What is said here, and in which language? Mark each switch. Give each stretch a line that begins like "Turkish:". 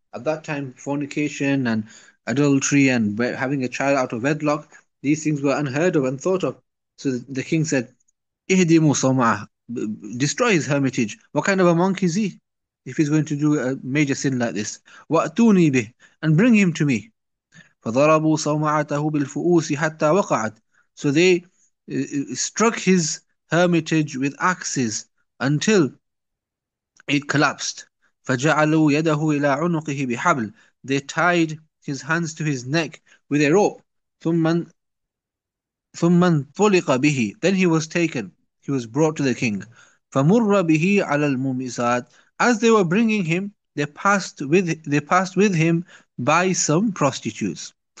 English: At that time, fornication and adultery and having a child out of wedlock, these things were unheard of, unthought of. So the king said, "Ihdimu sawma'ah," destroy his hermitage. What kind of a monk is he if he's going to do a major sin like this? "Wa'tuni bih," and bring him to me.
Arabic: فضربوا صومعته بالفؤوس حتى وقعت.
English: So they struck his hermitage with axes until it collapsed.
Arabic: فجعلوا يده إلى عنقه بحبل.
English: They tied his hands to his neck with a rope. ثم انطلق به. Then he was taken. He was brought to the king.
Arabic: فمر به على المومسات.
English: As they were bringing him, they passed with him by some prostitutes.